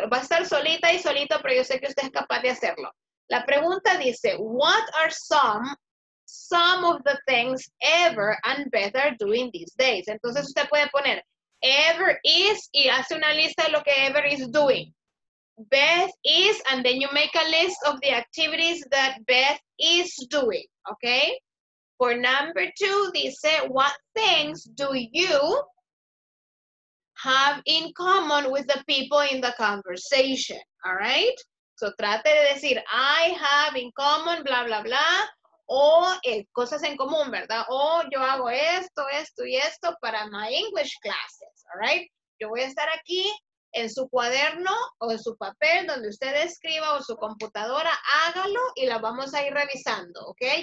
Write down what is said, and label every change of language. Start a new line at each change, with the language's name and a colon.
Spanish: Va a estar solita y solito, pero yo sé que usted es capaz de hacerlo.
English: La pregunta dice, what are some of the things Ever and Beth are doing these days?
Spanish: Entonces usted puede poner, Ever is, y hace una lista de lo que Ever is doing.
English: Beth is, and then you make a list of the activities that Beth is doing, okay? For number two, dice, what things do you have in common with the people in the conversation, all right?
Spanish: So, trate de decir, I have in common, bla, bla, bla, o cosas en común, ¿verdad? O yo hago esto, esto y esto para my English classes, all right? Yo voy a estar aquí en su cuaderno o en su papel donde usted escriba o su computadora, hágalo y la vamos a ir revisando, ¿ok?